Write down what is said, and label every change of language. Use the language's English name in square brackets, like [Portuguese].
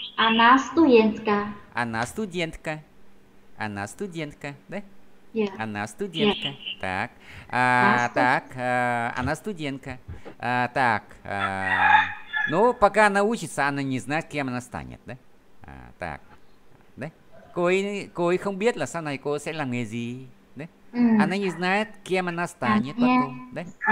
[Russian] Она студентка. Она студентка. Она студентка, да? Она студентка. Так. А, так. А, она студентка. А, так. Ну, пока она учится, она не знает, кем она станет, да? А, так. Да? [Vietnamese] Cô ấy không biết là sau này cô sẽ làm nghề gì, [Russian] да? Она не знает, кем она станет потом, да?